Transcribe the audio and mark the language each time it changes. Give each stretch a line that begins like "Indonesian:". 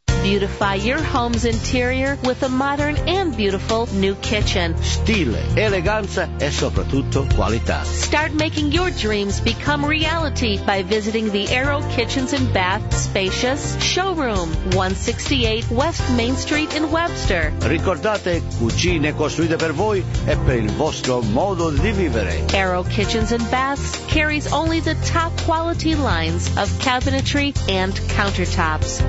English: Your home's interior with a modern and beautiful new kitchen.
Italian: Stile, eleganza e soprattutto qualità.
English: Start making your dreams become reality by visiting the Arrow Kitchens and Bath spacious showroom, 168 West Main Street in Webster.
Italian: Ricordate, cucine costruite per voi e per il vostro modo di vivere.
English: Arrow Kitchens and Baths carries only the top quality lines of cabinetry and countertops.